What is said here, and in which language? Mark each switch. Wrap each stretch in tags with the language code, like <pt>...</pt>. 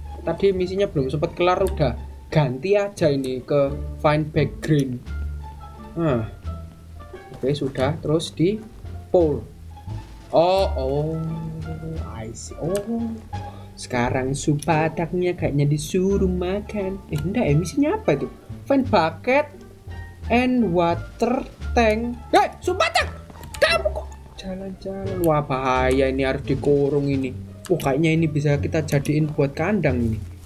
<id>Tadi misinya belum sempat kelar, udah ganti aja ini ke find background. Nah. Oke, sudah terus di pull.</id> <en>I see.</en> <id>Oh. Sekarang supataknya kayaknya disuruh makan. Misinya apa itu?</id> <en>Find bucket and water tank.</en> <id>Hey, supatak, kamu kok jalan-jalan? Wah bahaya, ini harus dikurung ini. Oh kayaknya ini bisa kita jadiin buat kandang ini.</id>